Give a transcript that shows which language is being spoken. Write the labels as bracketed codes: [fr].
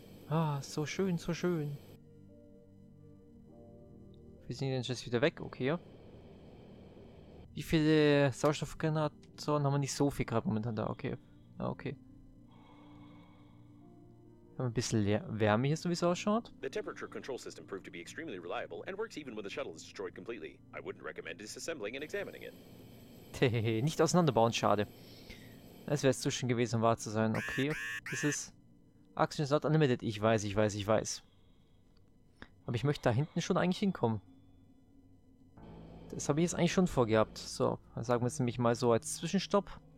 [de] Ah, so schön, so schön. Wir sind jetzt wieder weg, okay. Wie viele Sauerstoffgeneratoren haben wir nicht so viel gerade momentan da, okay. Okay. Wir haben ein bisschen Wärme hier, so wie es ausschaut. [en] The temperature control system proved to be extremely reliable and works even when the shuttle is destroyed completely. I wouldn't recommend disassembling and examining it. [de] Nicht auseinanderbauen, schade. Es wäre zu schön gewesen, um wahr zu sein, okay. Das ist [en] Oxygen is not unlimited. [de] Ich weiß. Aber ich möchte da hinten schon eigentlich hinkommen. Das habe ich jetzt eigentlich schon vorgehabt. So, dann sagen wir es nämlich mal so als Zwischenstopp.